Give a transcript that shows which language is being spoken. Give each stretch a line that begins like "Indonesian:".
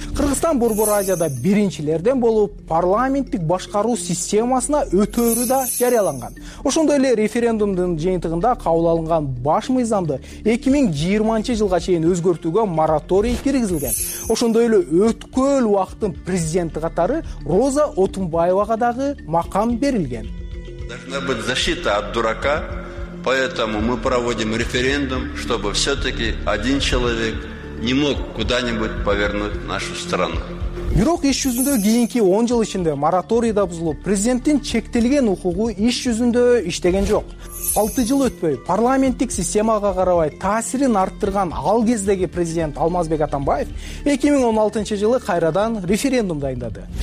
Kyrgyz: Кыргызстан борбор Азияда биринчилерден болуп парламенттик башкаруу системасына өтөрү да жарыяланган. Ошондой эле референдумдун жыйынтыгында кабыл алынган баш мыйзамды 2020 жылга чейин өзгөртүүгө мораторий киргизилген. Ошондой эле өткөл убактын президенти катары Роза Отунбаевага дагы макам берилген.
Russian: Должна быть защита от дурака, поэтому мы проводим референдум, чтобы все-таки один человек не мог куда-нибудь повернуть нашу страну.
Kyrgyz: Бирок иш жүзүндө кийинки 10 жыл ичинде мораторий да бузулуп, президенттин чектелген укугу иш жүзүндө иштеген жок. 6 жыл өтпөй, парламенттик системага карабай таасирин арттырган ал кездеги президент Алмазбек Атамбаев 2016 жылы кайрадан референдум дайындады.